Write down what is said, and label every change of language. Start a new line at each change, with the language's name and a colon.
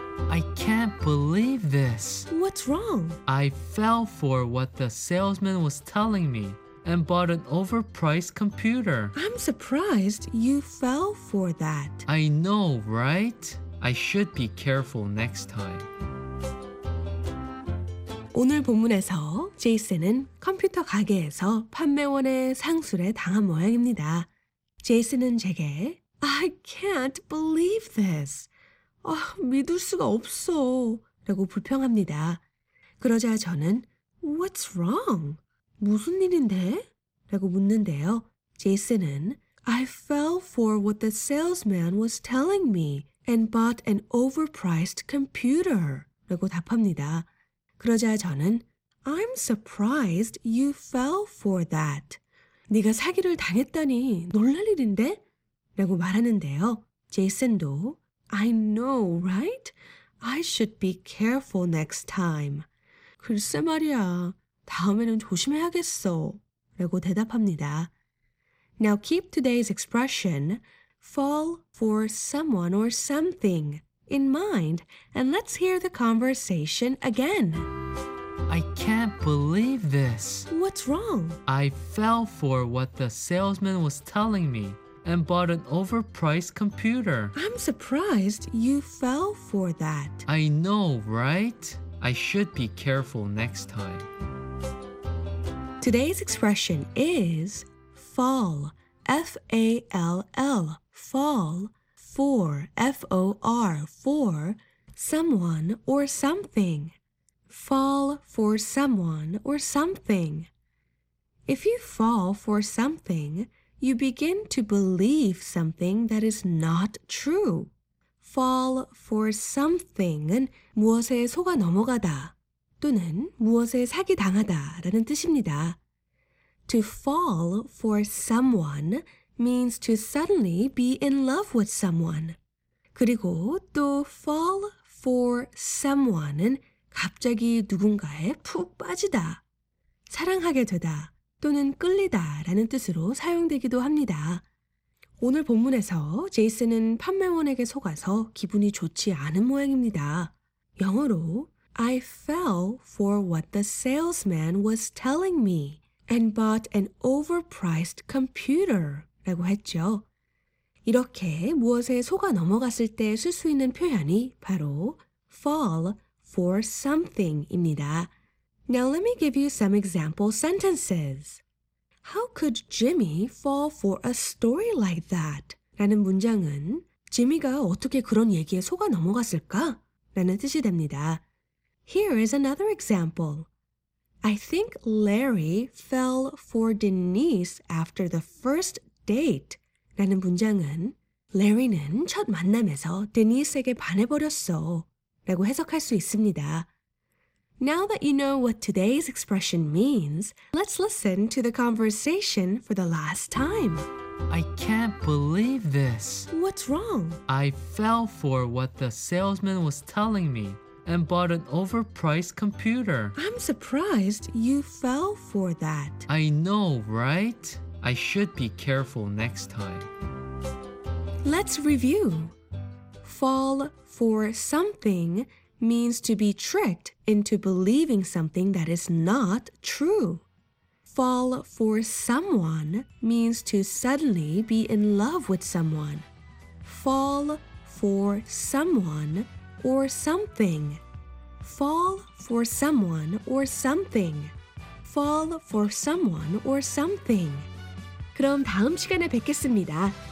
English: I can't believe this. What's wrong? I fell for what the salesman was telling me and bought an overpriced computer. I'm surprised you fell for that. I know, right? I should be careful next time.
Korean: 오늘 본문에서 제이슨은 컴퓨터 가게에서 판매원의 상술에 당한 모양입니다. 제이슨은 제게
English: I can't believe this.
Korean: 아, 믿을 수가 없어. 라고 불평합니다. 그러자 저는
English: What's wrong?
Korean: 무슨 일인데? 라고 묻는데요. 제이슨은
English: I fell for what the salesman was telling me and bought an overpriced computer.
Korean: 라고 답합니다. 그러자 저는
English: I'm surprised you fell for that.
Korean: 네가 사기를 당했다니 놀랄 일인데? 라고 말하는데요. 제이슨도
English: I know, right? I should be careful next time.
Korean: 글쎄 말이야, 다음에는 조심해야겠어. 라고 대답합니다.
English: Now keep today's expression, fall for someone or something, in mind, and let's hear the conversation again. I can't believe this. What's wrong? I fell for what the salesman was telling me and bought an overpriced computer. I'm surprised you fell for that. I know, right? I should be careful next time. Today's expression is fall, F-A-L-L, fall, for, F-O-R, for someone or something. Fall for someone or something. If you fall for something, you begin to believe something that is not true.
Korean: Fall for something은 무엇에 속아 넘어가다 또는 무엇에 사기당하다라는 뜻입니다.
English: To fall for someone means to suddenly be in love with someone.
Korean: 그리고 또 fall for someone은 갑자기 누군가에 푹 빠지다, 사랑하게 되다 또는 끌리다라는 뜻으로 사용되기도 합니다. 오늘 본문에서 제이슨은 판매원에게 속아서 기분이 좋지 않은 모양입니다. 영어로
English: I fell for what the salesman was telling me and bought an overpriced computer
Korean: 라고 했죠. 이렇게 무엇에 속아 넘어갔을 때 쓸 수 있는 표현이 바로 fall for something입니다.
English: Now let me give you some example sentences. How could Jimmy fall for a story like that?
Korean: 라는 문장은 지미가 어떻게 그런 얘기에 속아 넘어갔을까? 라는 뜻이 됩니다.
English: Here is another example. I think Larry fell for Denise after the first date.
Korean: 라는 문장은 Larry는 첫 만남에서 Denise에게 반해버렸어. 라고 해석할 수 있습니다.
English: Now that you know what today's expression means, let's listen to the conversation for the last time. I can't believe this. What's wrong? I fell for what the salesman was telling me and bought an overpriced computer. I'm surprised you fell for that. I know, right? I should be careful next time. Let's review. Fall for something means to be tricked into believing something that is not true. Fall for someone means to suddenly be in love with someone. Fall for someone or something. Fall for someone or something. Fall for someone or something.
Korean: 그럼 다음 시간에 뵙겠습니다.